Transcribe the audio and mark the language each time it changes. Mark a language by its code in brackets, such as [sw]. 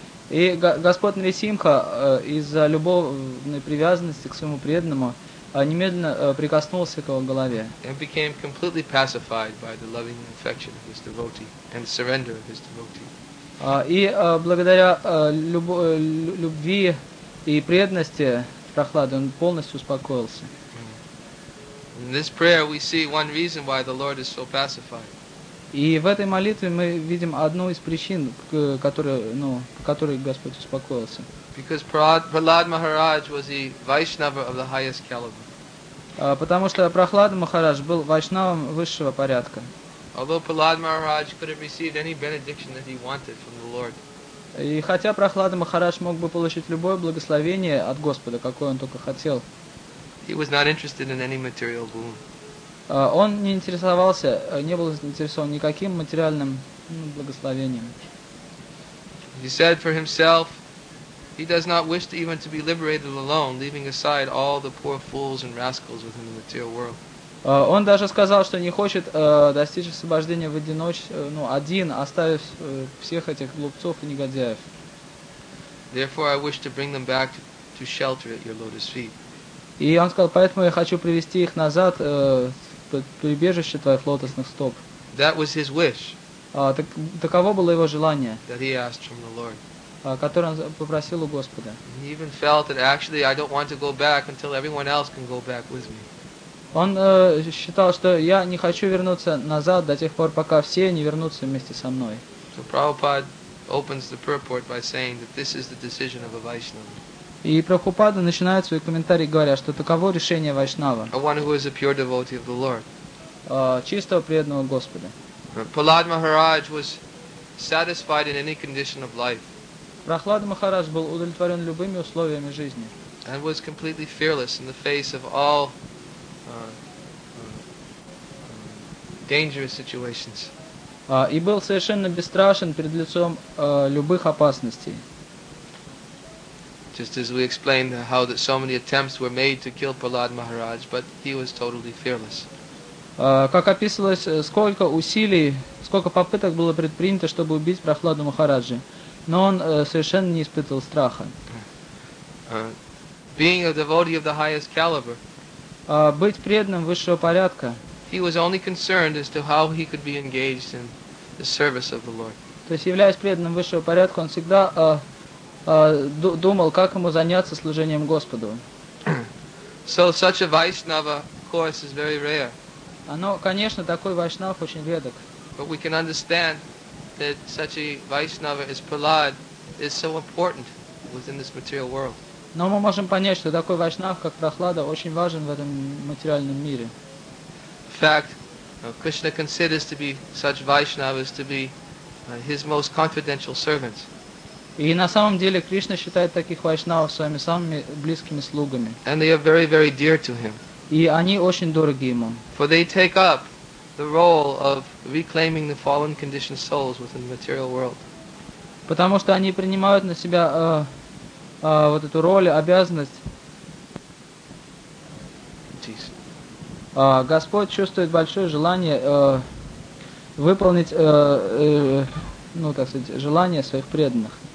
[ru] И Господь Нрисимха из-за любовной привязанности к своему преданному немедленно прикоснулся к его голове. [en] And became completely pacified by the loving affection of his devotee and surrender of his devotee. [ru] Благодаря любви и преданности Прохлады он полностью успокоился. [en] In this prayer we see one reason why the Lord is so pacified. [ru] И в этой молитве мы видим одну из причин, по которой Господь успокоился. [en] Because Prahlad Maharaj was the Vaishnava of the highest caliber. [ru] Потому что Прохлада Махарадж был вайшнавом высшего порядка. [en] Although Prahlad Maharaj could have received any benediction that he wanted from the Lord. [ru] И хотя Прохлада Махарадж мог бы получить любое благословение от Господа, какое он только хотел. [en] He was not interested in any material boon. [ru] Он не интересовался, не был заинтересован никаким материальным благословением. [en] He said for himself, he does not wish to even to be liberated alone, leaving aside all the poor fools and rascals within the material world. [ru] Он даже сказал, что не хочет достичь освобождения в одиночестве, один, оставив всех этих глупцов и негодяев. [en] Therefore, I wish to bring them back to shelter at your lotus feet. [ru] И он сказал, поэтому я хочу привести их назад под прибежище твоих лотосных стоп. [en] That was his wish. [ru] Таково было его желание. [en] That he asked from the Lord. [ru] Который он попросил у Господа. [en] He even felt that actually I don't want to go back until everyone else can go back with me. [ru] Он считал, что я не хочу вернуться назад до тех пор, пока все не вернутся вместе со мной. [en] So Prabhupada opens the purport by saying that this is the decision of a Vaishnava. [ru] И Прабхупада начинает свой комментарий, говоря, что таково решение Вайшнава. [en] A one who is a pure devotee of the Lord. [ru] Чистого преданного Господа. [en] Prahlad Maharaj was satisfied in any condition of life. [ru] Прохлада Махарадж был удовлетворен любыми условиями жизни. [en] And was completely fearless in the face of all dangerous situations. [ru] И был совершенно бесстрашен перед лицом любых опасностей. [en] Just as we explained how that so many attempts were made to kill Prahlad Maharaj, but he was totally fearless. [ru] Как описывалось, сколько усилий, сколько попыток было предпринято, чтобы убить Прохладу Махараджи. Но он совершенно не испытывал страха. [en] Being a devotee of the highest caliber, [ru] быть преданным высшего порядка, [en] he was only concerned as to how he could be engaged in the service of the Lord. [ru] То есть, являясь преданным высшего порядка, он всегда думал, как ему заняться служением Господу. [en] So such a Vaishnava, of course, is very rare. [ru] Но, конечно, такой вайшнав очень редок. [en] But we can understand that such a Vaishnava as Prahlad is so important within this material world. [ru] Но мы можем понять, что такой вайшнав, как Прохлада, очень важен в этом материальном мире. [en] In fact, Krishna considers to be such Vaishnavas to be his most confidential servants. [ru] И на самом деле Кришна считает таких вайшнавов своими самыми близкими слугами. [en] And they are very, very dear to him. [ru] И они очень дороги ему. [en] For they take up the role of reclaiming the fallen conditioned souls within the material world. [ru] Потому что они принимают на себя вот эту роль, обязанность. Господь чувствует большое желание выполнить, так сказать, желание своих преданных.